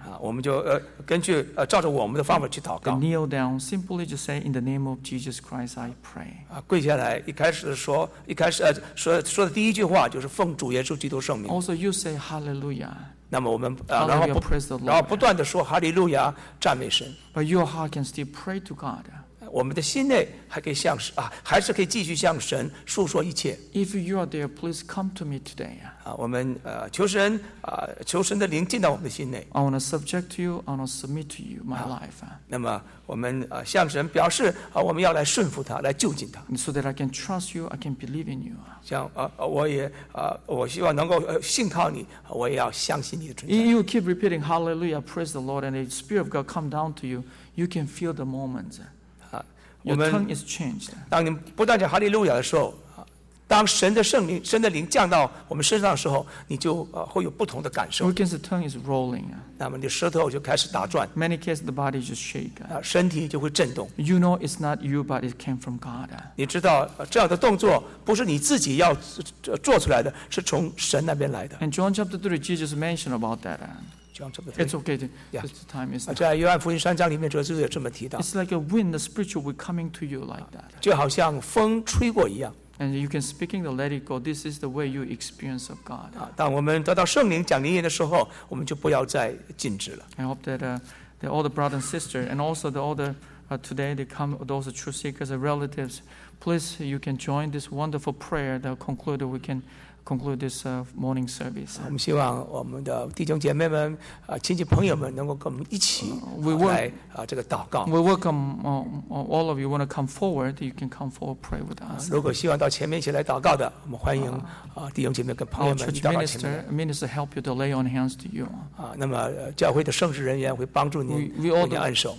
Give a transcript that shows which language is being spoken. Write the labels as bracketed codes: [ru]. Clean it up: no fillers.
[zh] 我们就根据照着我们的方法去祷告。 [en] Kneel down, simply just say, "In the name of Jesus Christ, I pray." [zh] 跪下来，一开始说的第一句话就是奉主耶稣基督圣名。 [en] Also, you say Hallelujah. [zh] 那么我们然后不断的说哈利路亚，赞美神。 [en] But your heart can still pray to God. [zh] 我们的心内还可以向还是可以继续向神诉说一切。 [en] If you are there, please come to me today. [zh] 我们求神的灵进到我们的心内。 [en] I want to subject to you. I want to submit to you my life. [zh] 那么我们向神表示我们要来顺服他，来就近他。 [en] So that I can trust you, I can believe in you. [zh] 像我希望能够信靠你，我也要相信你的存在。 [en] You keep repeating Hallelujah, praise the Lord, and the Spirit of God come down to you. You can feel the moment. Your tongue is changed. [zh] 当你不断讲哈利路亚的时候，当神的圣灵、神的灵降到我们身上的时候，你就会有不同的感受。 [en] Because the tongue is rolling. [zh] 那么你舌头就开始打转。 [en] Many cases the body just shake. [zh] 身体就会震动。 [en] You know it's not you, but it came from God. [zh] 你知道这样的动作不是你自己要做出来的，是从神那边来的。 [en] And John chapter 3, Jesus mentioned about that. It's okay. The time is. [zh] 在约翰福音三章里面，耶稣也这么提到。 [en] It's like a wind, the spiritual wind coming to you like that. [zh] 就好像风吹过一样。 [en] And you can speaking the let it go. This is the way you experience of God. [zh] 当我们得到圣灵讲灵言的时候，我们就不要再禁止了。 [en] I hope that the all the brothers and sisters, and also the all the today they come those true seekers and relatives, please you can join this wonderful prayer that concluded we can. Conclude this morning service. [zh] 我们希望我们的弟兄姐妹们、亲戚朋友们能够跟我们一起来这个祷告。 [en] We welcome all of you. Want to come forward? You can come forward, pray with us. [zh] 如果希望到前面一起来祷告的，我们欢迎弟兄姐妹跟朋友们到前面。 [en] Minister help you to lay on hands to you. [zh] 那么教会的圣职人员会帮助您，为您按手。